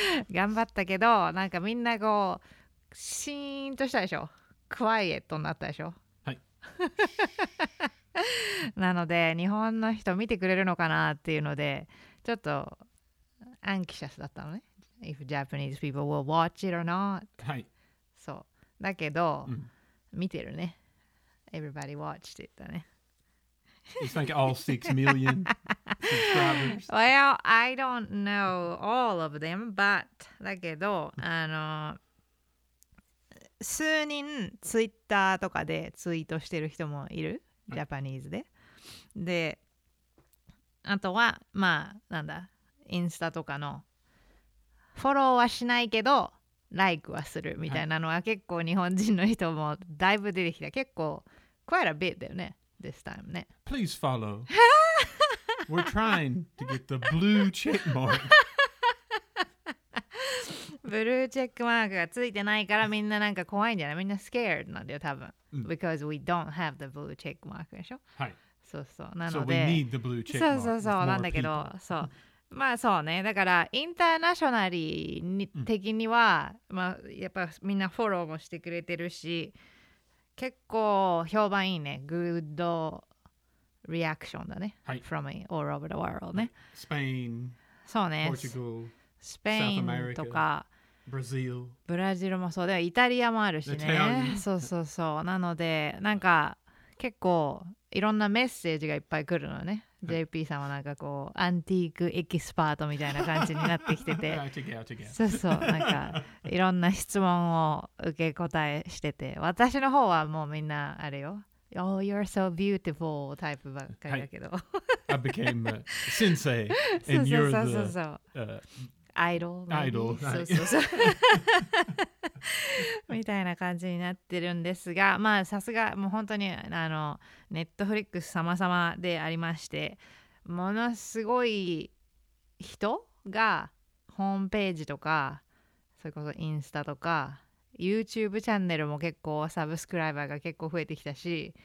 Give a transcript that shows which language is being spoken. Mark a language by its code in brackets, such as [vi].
[ja] 頑張ったけどなんかみんなこうシーンとしたでしょクワイエットになったでしょ、はい、なので日本の人見てくれるのかなっていうのでちょっとアンキシャスだったのね。 [en] If Japanese people will watch it or not. [ja] はい。そう。だけど、うん、見てるね。 [en] Everybody watched it [ja] だね。 [en] It's like all 6 million subscribers. Well, I don't know all of them, but [ja] だけど、あの、数人 Twitter とかでツイートしてる人もいる。 Japanese で。で、あとは、まあ、なんだ。インスタとかのフォローはしないけどライクはするみたいなのは結構日本人の人もだいぶ出てきた結構 [en] quite a bit [ja] だよね [en] this time [ja] ね [en] Please follow We're trying to get the blue check mark [ja] ブルーチェックマークがついてないからみんななんか怖いんじゃないみんな scared なんだよ多分、うん、 [en] because we don't have the blue check mark [ja] でしょはいそうそうなので [en] So we need the blue check mark [ja] そうそうそうなんだけどそうまあそうねだからインターナショナリーに的には、うん、まあやっぱみんなフォローもしてくれてるし結構評判いいねグッドリアクションだね、はい、 [en] from all over the world ね、は [ja] い、スペインそうねポルトガルスペインとかブラジルもそうでイタリアもあるしねそうそうそうなのでなんか結構いろんなメッセージがいっぱい来るのねJP さんはなんかこうアンティークエキスパートみたいな感じになってきてて、そうそうなんかいろんな質問を受け答えしてて、私の方はもうみんなあれよ、 [en] Oh you're so beautiful [ja] タイプばっかりだけど、 [en] I became a sensei and you're the idol [ja] みたいな感じになってるんですが、まあさすがもう本当にあのネットフリックス様々でありまして、ものすごい人がホームページとかそれこそインスタとか YouTube チャンネルも結構サブスクライバーが結構増えてきたし、